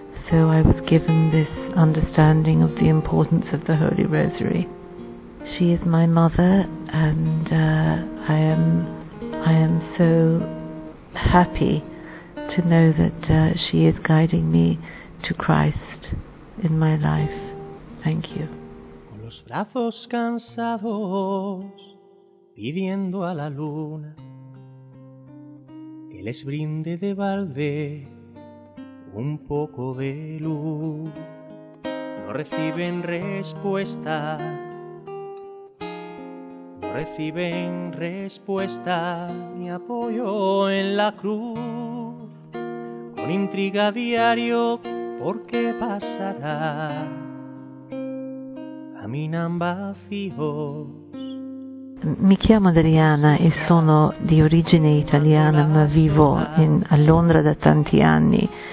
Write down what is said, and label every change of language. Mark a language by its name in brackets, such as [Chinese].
[English] So I was given this understanding of the importance of the Holy Rosary. She is my mother, and I am so happy to know that she is guiding me to Christ in my life. Thank you. [Spanish] Con los brazos cansados, pidiendo a la luna que les brinde de balde un poco de luz, no reciben respuesta, no reciben respuesta ni apoyo en la cruz, con intriga diario, ¿por qué pasará? Caminan vacíos. [Italian] Mi chiamo Adriana e sono di origine italiana, ma vivo a Londra da tanti anni.